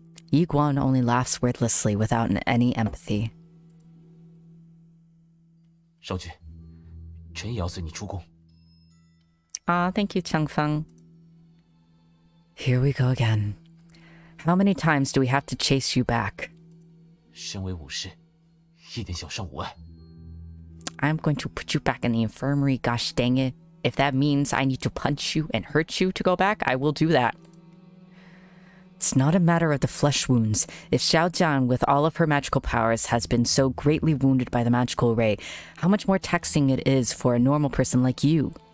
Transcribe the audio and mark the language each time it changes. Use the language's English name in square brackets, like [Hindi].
[English] Yi Guang only laughs wordlessly without any empathy. [Chinese] 少君,臣也要随你出宫。 [English] Aw, thank you, Changfeng. Here we go again. How many times do we have to chase you back? [Chinese] 身为武士，一点小伤无碍。 [English] I'm going to put you back in the infirmary, gosh dang it. If that means I need to punch you and hurt you to go back, I will do that. It's not a matter of the flesh wounds. If Xiao Jian, with all of her magical powers, has been so greatly wounded by the magical ray, how much more taxing it is for a normal person like you?